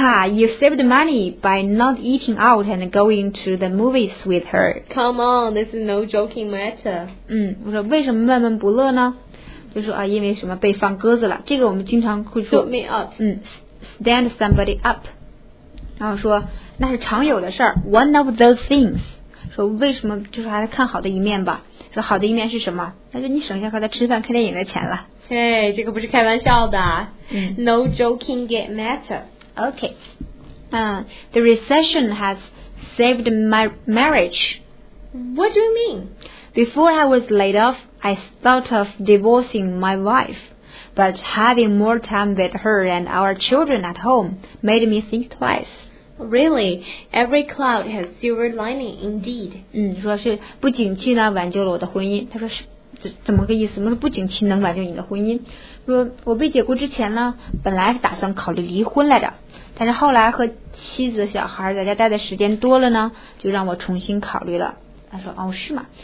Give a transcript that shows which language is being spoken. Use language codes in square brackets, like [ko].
[en] You saved money by not eating out and going to the movies with her. Come on, this is no joking matter. [zh] 我说为什么闷闷不乐呢？就说啊，因为什么被放鸽子了。这个我们经常会说。 [en] Stood me up. Stand somebody up. [zh] 然后说那是常有的事儿。 [en] One of those things. [zh] 说为什么就是还是看好的一面吧。说好的一面是什么？那就你省下和他吃饭看电影的钱了。嘿，这个不是开玩笑的。 [en] No joking get matter. Okay, the recession has saved my marriage. What do you mean? Before I was laid off, I thought of divorcing my wife. But having more time with her and our children at home made me think twice. Really? Every cloud has silver lining indeed. [zh] 说是不景气呢挽救了我的婚姻。他说是。怎么个意思？我说不景气能挽救你的婚姻。说我被解雇之前呢，本来是打算考虑离婚来着，但是后来和妻子小孩在家待的时间多了呢，就让我重新考虑了。他说哦，是吗？